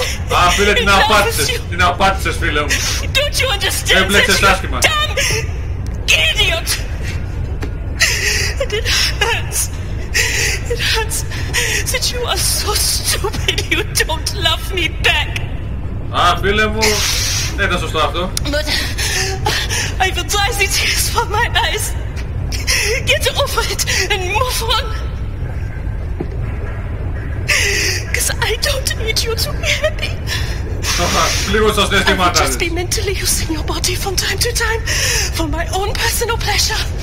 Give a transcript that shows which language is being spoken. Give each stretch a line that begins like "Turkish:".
Greek: Α, φίλε, την απάτησες. Την απάτησες, φίλε μου.
English: Don't you understand?
Greek: Έμπλεξες άσχημα.
English: Damn idiot! And it hurts. It hurts that you are so stupid you don't love me back.
Greek: Α, φίλε μου, δεν ήταν σωστό αυτό.
English: But I will dry the tears from my eyes. Get over it and move on. Because I don't need you to be happy. I'll just be mentally using your body from time to time for my own personal pleasure.